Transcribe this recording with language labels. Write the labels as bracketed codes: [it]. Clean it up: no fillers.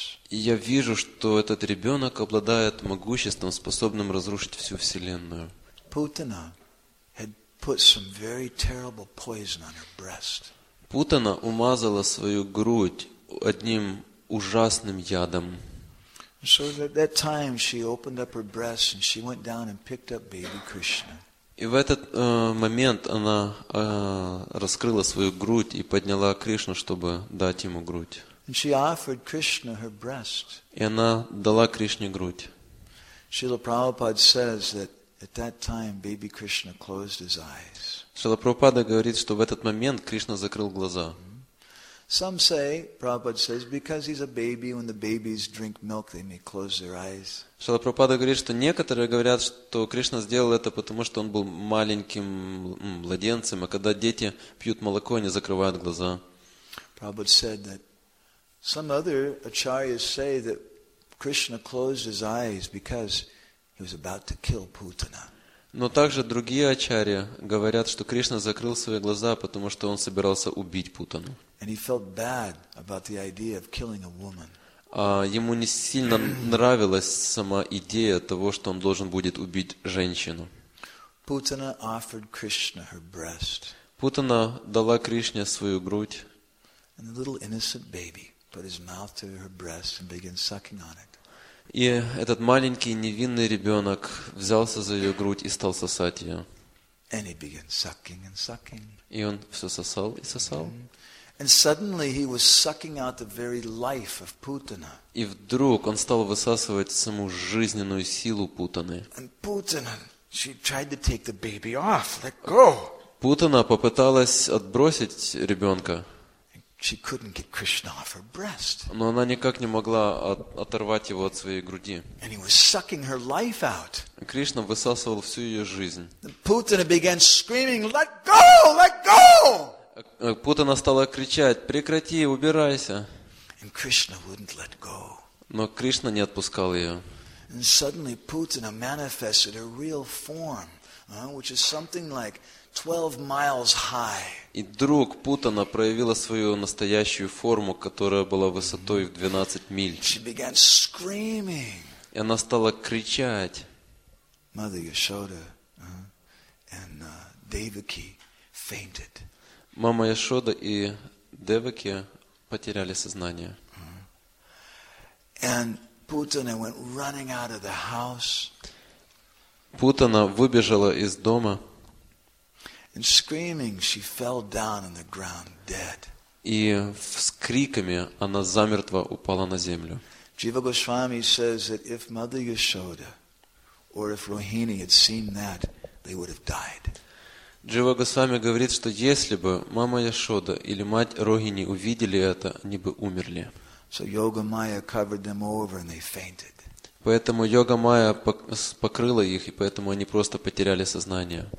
[ru] Я вижу, что этот ребенок обладает могуществом, способным разрушить всю Вселенную. [en] Путина had put some very terrible poison on her breast. [ru] Путина умазала свою грудь одним ужасным ядом. [en] So at that time she opened up her breast and she went down and picked up baby Krishna. [ru] И в этот момент она раскрыла свою грудь и подняла Кришну, чтобы дать ему грудь. [en] And she offered Krishna her breast. [ru] И она дала Кришне грудь. [en] Srila Prabhupada says that at that time baby Krishna closed his eyes. [ru] Srila Prabhupada говорит, что в этот момент Кришна закрыл глаза. [en] Some say, Prabhupada says, because he's a baby, when the babies drink milk, they may close their eyes. [ru] Шрила Прабхупада говорит, что некоторые говорят, что Кришна сделал это потому, что он был маленьким младенцем, а когда дети пьют молоко, они закрывают глаза. [en] Prabhupada said that some other acharyas say that Krishna closed his eyes because he was about to kill Putana. [ru] Но также другие ачарьи говорят, что Кришна закрыл свои глаза, потому что он собирался убить Путану. [en] And he felt bad about the idea of killing a woman. [ru] Ему не сильно нравилась сама идея того, что он должен будет убить женщину. [en] Putana offered Krishna her breast. [ru] Путана дала Кришне свою грудь. [en] And the little innocent baby put his mouth to her breast and began sucking on it. [ru] И этот маленький невинный ребенок взялся за ее грудь и стал сосать ее. [en] And he began sucking and sucking. [ru] И он все сосал и сосал. [en] And suddenly he was sucking out the very life of Putana. [ru] И вдруг он стал высасывать саму жизненную силу Путаны. [en] And Putana, she tried to take the baby off, let go. [ru] Путана попыталась отбросить ребенка. [en] She couldn't get Krishna off her breast. [ru] Но она никак не могла оторвать его от своей груди. [en] And he was sucking her life out. [ru] Кришна высасывал всю ее жизнь. [en] And Putana began screaming, "Let go! Let go!" [ru] Путана стала кричать: "Прекрати, убирайся!" [en] And Krishna wouldn't let go. [ru] Но Кришна не отпускал ее. [en] And suddenly Putana manifested her real form, which is something like 12 miles high. [ru] И вдруг Путана проявила свою настоящую форму, которая была высотой в 12 миль. [en] She began screaming. [ru] И она стала кричать. [en] Mother Yashoda, and Devaki fainted. [ru] Мама Яшода и Деваки потеряли сознание. [en] And Putana went running out of the house. [ru] Путана выбежала из дома. [en] And screaming, she fell down on the ground dead. [ru] И с криками она замертво упала на землю. [en] Jiva Goswami says that if Mother Yashoda or if Rohini had seen that, they would have died. [ru] Jiva Goswami говорит, что если бы мама Яшода или мать Рогини увидели это, они бы умерли. [en] So Yoga Maya covered them over and they fainted. [ru] Поэтому йога майя покрыла их, и поэтому они просто потеряли сознание.